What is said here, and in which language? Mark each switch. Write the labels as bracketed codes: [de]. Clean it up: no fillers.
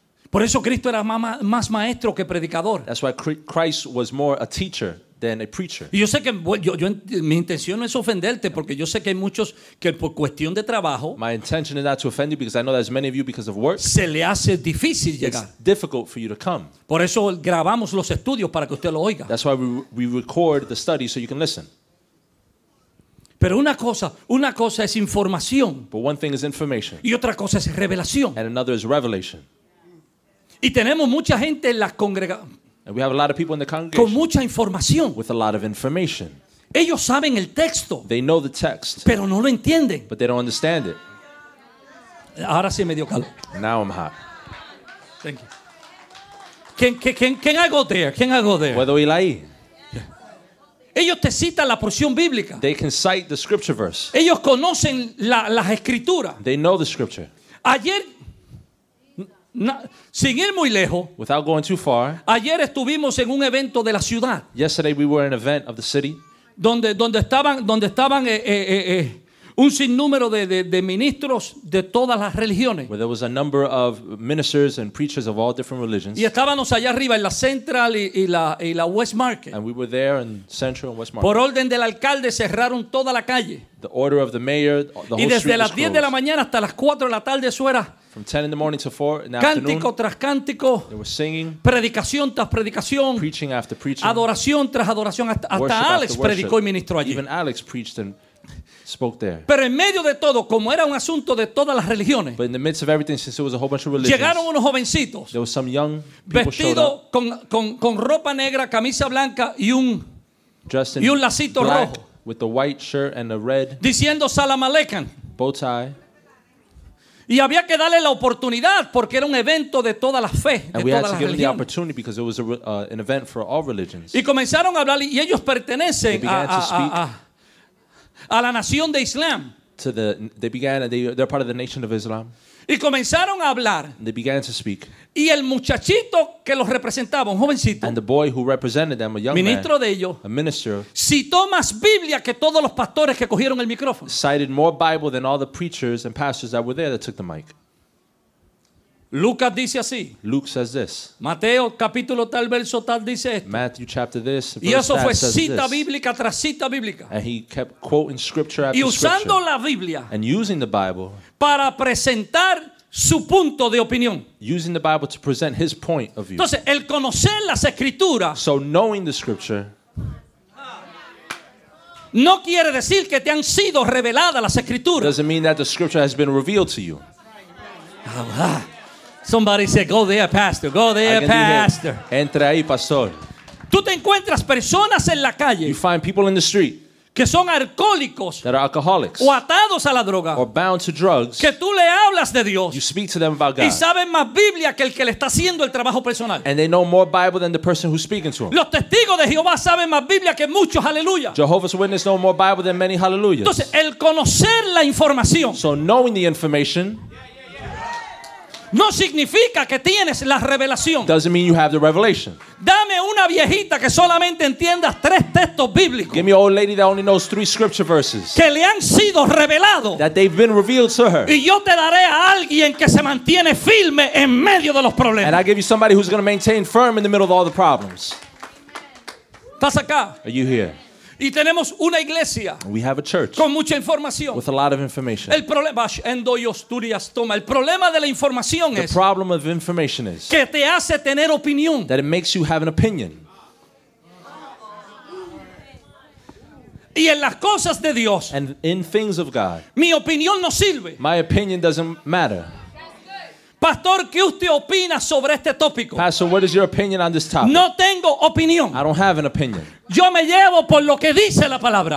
[es] Por eso Cristo era más maestro que predicador. [en] That's why Christ was more a teacher than a preacher. [es] Y yo sé que yo mi intención no es ofenderte porque yo sé que hay muchos que por cuestión de trabajo. [en] My intention is not to offend you because I know there's many of you because of work. [es] Se le hace difícil llegar. [en] It's difficult for you to come. [es] Por eso grabamos los estudios para que usted lo oiga. [en] That's why we record the study so you can listen. [es] Pero una cosa es información. [en] But one thing is information. [es] Y otra cosa es revelación. [en] And another is revelation. [es] Y tenemos mucha gente en las congregaciones. [en] And we have a lot of people in the congregation. [es] Con mucha información. [en] With a lot of information. [es] Ellos saben el texto. [en] They know the text. [es] Pero no lo entienden. [en] But they don't understand it. [es] Ahora sí me dio calor. [en] Now I'm hot. Thank you. Can I go there? Can I go there? [es] ¿Puedo ir ahí? Ellos te citan la porción bíblica. [en] They can cite the scripture verse. [es] Ellos conocen las escrituras. [en] They know the scripture. [es] Ayer. No, sin ir muy lejos. [en] Without going too far. [es] Ayer estuvimos en un evento de la ciudad. [en] Yesterday we were in an event of the city. [es] Donde estaban un sinnúmero de ministros de todas las religiones. [en] Where there was a number of ministers and preachers of all different religions. [es] Y estábamos allá arriba en la Central y la West Market. [en] And we were there in Central and West Market. [es] Por orden del alcalde cerraron toda la calle. [en] The order of the mayor, the whole [es] y desde [en] street [es] las 10 de la mañana hasta las 4 de la tarde eso era. [en] From 10 in the morning to 4 in the [es] cántico [en] afternoon. [es] Cántico tras cántico. [en] They were singing. [es] Predicación tras predicación. [en] Preaching after preaching. [es] Adoración tras adoración. Hasta Alex predicó y ministró allí. [en] Even Alex preached and spoke there. [es] Pero en medio de todo, como era un asunto de todas las religiones. [en] But in the midst of everything, since it was a whole bunch of religions. [es] Llegaron unos jovencitos. [en] There was some young people showed up. [es] Con ropa negra, camisa blanca y un [en] dressed in [es] y un lacito [en] black, [es] rojo. [en] With the white shirt and the red. [es] Diciendo Salam Aleikum. [en] Bow tie. [es] Y había que darle la oportunidad porque era un evento de toda la fe, [en] and [es] de todas las religiones. [en] Give them the opportunity because it was an event for all religions. [es] Y comenzaron a hablar y ellos pertenecen a la nación de Islam. [en] to the they began they're part of the nation of Islam. [es] Y comenzaron a hablar. [en] They began to speak. [es] Y el muchachito que los representaba, un jovencito, [en] and the boy who represented them, a young [es] ministro [en] man, [es] de ellos, [en] a minister, [es] citó más Biblia que todos los pastores que cogieron el micrófono. [en] Cited more Bible than all the preachers and pastors that were there that took the mic. [es] Lucas dice así. [en] Luke says this. [es] Mateo capítulo tal verso tal dice esto. [en] Matthew chapter this. [es] Y eso fue cita bíblica tras cita bíblica. [en] And he kept quoting scripture after [es] y usando [en] scripture, [es] la Biblia. [en] And using the Bible. [es] Para presentar su punto de opinión. [en] Using the Bible to present his point of view. [es] Entonces, el conocer las escrituras. [en] So knowing the scripture. [es] No quiere decir que te han sido reveladas las escrituras. [en] Doesn't mean that the scripture has been revealed to you. Somebody said, go there, pastor. Go there, pastor. [es] Entra ahí, pastor. Tú te encuentras personas en la calle. [en] You find people in the street. [es] Que son alcohólicos. [en] That are alcoholics. [es] O atados a la droga. [en] Or bound to drugs. [es] Que tú le hablas de Dios. [en] You speak to them about God. [es] Y saben más Biblia que el que le está haciendo el trabajo personal. [en] And they know more Bible than the person who's speaking to them. [es] Los testigos de Jehová saben más Biblia que muchos, aleluya. [en] Jehovah's Witnesses know more Bible than many, hallelujahs. [es] Entonces, el conocer la información. [en] So knowing the information. [es] No significa que tienes la revelación. [en] Doesn't mean you have the revelation. [es] Dame una viejita que solamente entiendas tres textos bíblicos. [en] Give me an old lady that only knows three scripture verses. [es] Que le han sido revelados. [en] That they've been revealed to her. [es] Y yo te daré a alguien que se mantiene firme en medio de los problemas. [en] And I'll give you somebody who's going to maintain firm in the middle of all the problems. [es] ¿Estás acá? [en] Are you here? [es] Y tenemos una iglesia. [en] We have a church. [es] Con mucha información. [en] With a lot of information. [es] El problema endoiostudiastoma. El problema de la información es. [en] The problem of information is. [es] Que te hace tener opinión. [en] That it makes you have an opinion. [es] Y en las cosas de Dios. [en] And in things of God. [es] Mi opinión no sirve. [en] My opinion doesn't matter. [es] Pastor, ¿qué usted opina sobre este tópico? [en] Pastor, what is your opinion on this topic? [es] No tengo opinión. [en] I don't have an opinion. [es] Yo me llevo por lo que dice la palabra.